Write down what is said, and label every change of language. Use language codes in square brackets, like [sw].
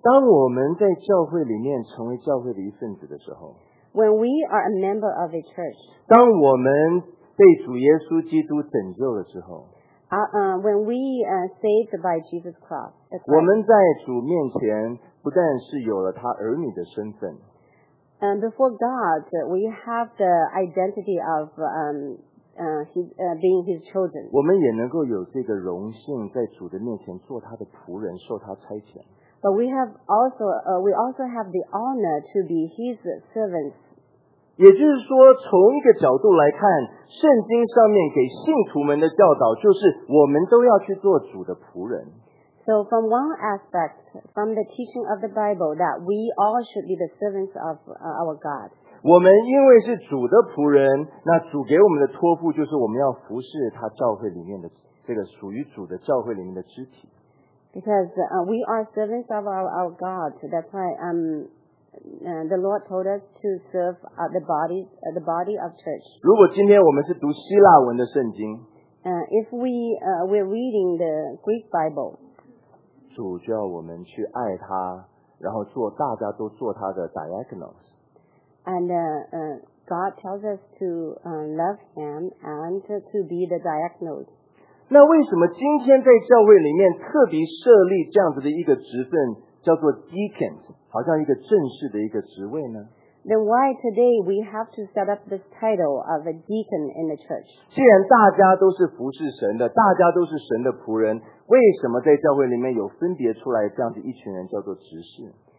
[zh] 当我们在教会里面成为教会的一份子的时候， [en] When we are a member of a church, [zh] 当我们被主耶稣基督拯救的时候， [en] When we are saved by Jesus Christ, [zh] 我们在主面前不但是有了他儿女的身份， [en] And before God, we have the identity of being his chosen. [zh] 我们也能够有这个荣幸在主的面前做他的仆人，受他差遣。 [en] But we have also, we also have the honor to be his servants. [zh] 也就是说，从一个角度来看，圣经上面给信徒们的教导就是我们都要去做主的仆人。 [en] So from one aspect, from the teaching of the Bible, that we all should be the servants of our God. [zh] 我们因为是主的仆人，那主给我们的托付就是我们要服侍他教会里面的这个属于主的教会里面的肢体。 [en] Because we are servants of our God, that's why the Lord told us to serve the body of church. [zh] 如果今天我们是读希腊文的圣经, [en] if we we're reading the Greek Bible, [zh] 主叫我们去爱他, 然后做大家都做他的diagonals. [en] And God tells us to love him and to be the diagnose. [zh] 那为什么今天在教会里面特别设立这样子的一个职分, 叫做deacons, 好像一个正式的一个职位呢? [en] Then why today we have to set up this title of a deacon in the church? [zh] 既然大家都是服侍神的, 大家都是神的仆人, 为什么在教会里面有分别出来这样子一群人叫做执事?